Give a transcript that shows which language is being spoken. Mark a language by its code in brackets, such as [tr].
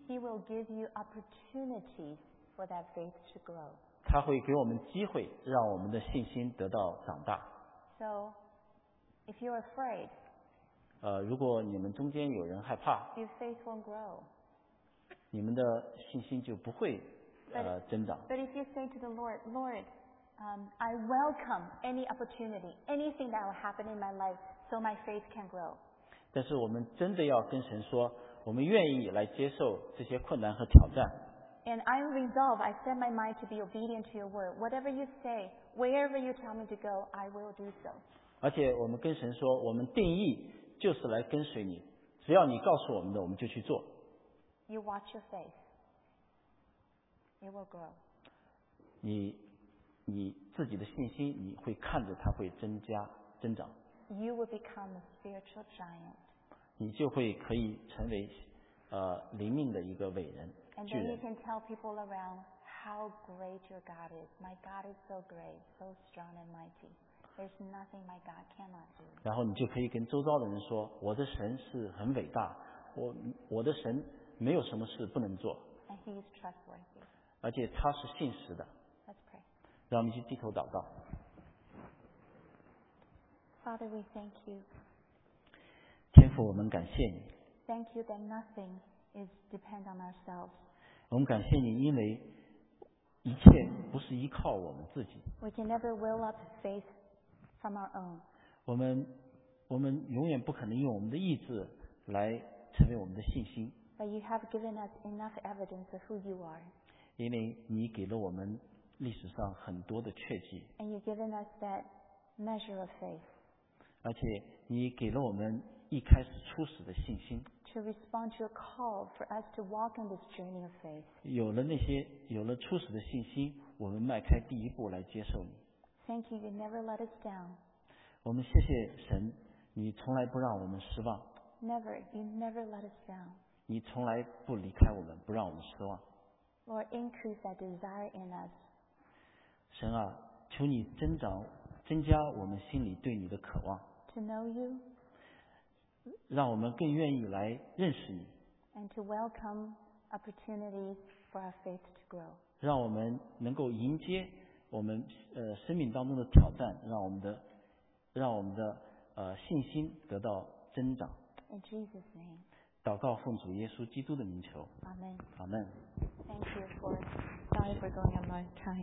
[en] He will give you opportunities for that faith to grow. [zh] 他会给我们机会让我们的信心得到长大。 [en] So, if you're afraid, [zh] 如果你们中间有人害怕， [en] your faith won't grow. [zh] 你们的信心就不会增长。 [en] But if you say to the Lord, Lord, I welcome any opportunity, anything that will happen in my life, so my faith can grow. [zh] 但是我们真的要跟神说，我们愿意来接受这些困难和挑战。 [en] And I resolve, I set my mind to be obedient to your word. Whatever you say, wherever you tell me to go, I will do so. [zh] 而且我们跟神说，我们定义就是来跟随你，只要你告诉我们的，我们就去做。 [en] You watch your faith. It will grow. [zh] 你自己的信心，你会看着它会增加增长。 [en] You will become a spiritual giant. [zh] 你就会可以成为灵命的一个伟人。 [en] And then you can tell people around how great your God is. My God is so great, so strong and mighty. There's nothing my God cannot do. [zh] 然后你就可以跟周遭的人说，我的神是很伟大，我的神没有什么事不能做。 [en] And He is trustworthy. [zh] 而且他是信实的。 [en] Let's pray. [zh] 让我们去低头祷告。 [en] Father, we thank you. [zh] 天父，我们感谢你。 [en] Thank you that nothing is depend on ourselves. [zh] 我们感谢你，因为一切不是依靠我们自己。 [en] We can never will up faith from our own. [zh] 我们永远不可能用我们的意志来成为我们的信心。 [en] But you have given us enough evidence of who you are. [zh] 因为你给了我们历史上很多的确据， [en] And you've given us that measure of faith. [zh] 而且你给了我们一开始初始的信心， [en] To respond to a call for us to walk in this journey of faith. [zh] 有了初始的信心，我们迈开第一步来接受你。 [en] Thank you, you never let us down. [zh] 我们谢谢神，你从来不让我们失望。 [en] Never, you never let us down. [zh] 你从来不离开我们，不让我们失望。 [en] Lord, increase that desire in us. [zh] 神啊，求你增加我们心里对你的渴望。 [en] To know you. [zh] 让我们更愿意来认识你。 [en] And to welcome opportunities for our faith to grow. [zh] 让我们能够迎接我们生命当中的挑战，让我们的信心得到增长。 [en] In Jesus' name. [zh] 祷告奉主耶稣基督的名求。 [en] Amen. Amen. Thank you for sorry for going on my time.